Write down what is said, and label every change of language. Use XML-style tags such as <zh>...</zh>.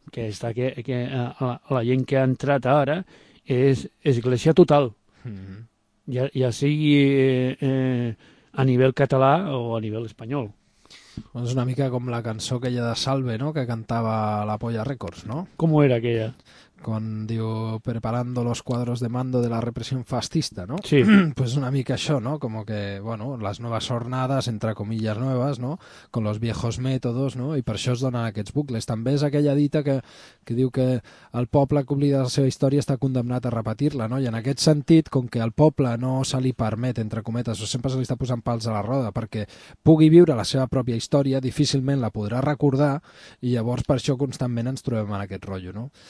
<ca>Que està que la gent que ha entrat ara és església total. Ja sigui a nivell català o a nivell espanyol. És una mica com la cançó aquella de Salve, no? Que cantava la Polla Records, no? Com era aquella? Quan diu,</ca> <es>preparando los cuadros de mando de la represión fascista, no? Sí.</es> <ca>Pues una mica això, no?</ca> <es>Como que, bueno, las nuevas jornadas, entre comillas nuevas, no? Con los viejos métodos, no?</es> <ca>I per això es donen aquests bucles. També és aquella dita que diu que el poble que oblida la seva història està condemnat a repetir-la, no? I en aquest sentit, com que al poble no se li permet, entre cometes, o sempre se li està posant pals a la roda perquè pugui viure la seva pròpia història, difícilment la podrà recordar i llavors per això constantment ens trobem en aquest rotllo, no?</ca>